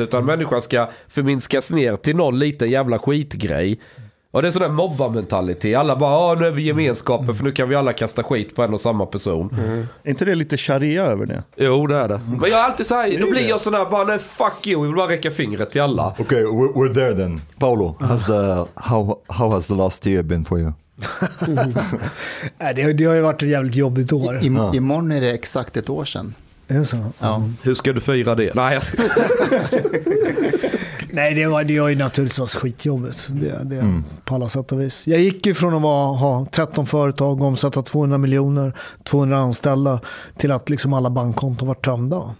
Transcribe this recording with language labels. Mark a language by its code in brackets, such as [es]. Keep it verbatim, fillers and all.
[sv] Utan människan ska förminskas ner till någon liten jävla skitgrej. Och det är sån där mobbarmentalitet. Alla bara, nu är vi gemenskapen, för nu kan vi alla kasta skit på en och samma person. Mm. Är inte det lite sharia över det? Jo, det är det. Mm. Men jag är alltid så här, då blir jag sån där, bara, nej, fuck you, jag vill bara räcka fingret till alla. [en] Okej, okay, we're, we're there then. Paolo, has the, how, how has the last year been for you? [sv] Nej, det, det har ju varit ett jävligt jobbigt år. I, i, ja. Imorgon är det exakt ett år sedan. Är det så? Ja. Hur ska du fira det? Nej, jag ska... Nej, det var det var ju naturligtvis skitjobbet. Det, det, mm. På alla sätt och vis. Jag gick ju från att vara, ha tretton företag, omsätta tvåhundra miljoner, tvåhundra anställda, till att liksom alla bankkonton var tömda.